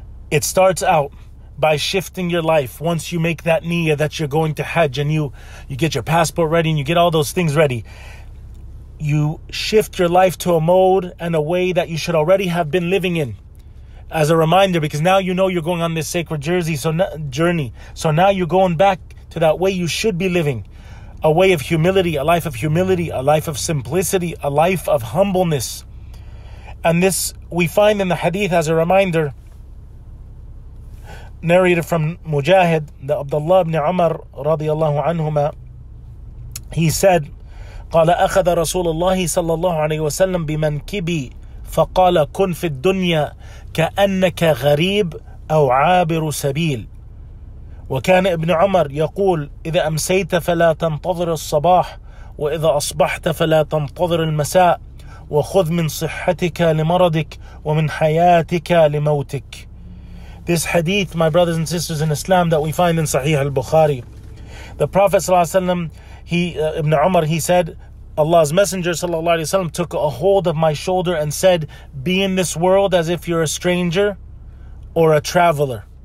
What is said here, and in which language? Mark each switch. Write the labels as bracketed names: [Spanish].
[English] It starts out by shifting your life. Once you make that niyyah that you're going to Hajj, and you get your passport ready and you get all those things ready, you shift your life to a mode and a way that you should already have been living in. As a reminder, because now you know you're going on this sacred journey. So now you're going back to that way you should be living. a way of humility, a life of humility, a life of simplicity, a life of humbleness. And this we find in the hadith as a reminder, narrated from Mujahid, the Abdullah ibn Umar radiallahu anhuma, he said, [Arabic] قَالَ أَخَذَ رَسُولَ اللَّهِ صَلَّى اللَّهُ عَلَيْهِ وَسَلَّمْ بِمَنْكِبِي فَقَالَ كُنْ فِي الدُّنْيَا كَأَنَّكَ غَرِيبٌ أَوْ عَابِرُ سَبِيلٌ وكان ابن عمر يقول إذا أمسيت فلا تنتظر الصباح وإذا أصبحت فلا تنتظر المساء وخذ من صحتك لمرضك ومن حياتك لموتك. [English] This hadith, my brothers and sisters in Islam, that we find in Sahih al-Bukhari, the Prophet Ibn Umar, he said, Allah's Messenger sallallahu alaihi wasallam took a hold of my shoulder and said, be in this world as if you're a stranger or a traveler.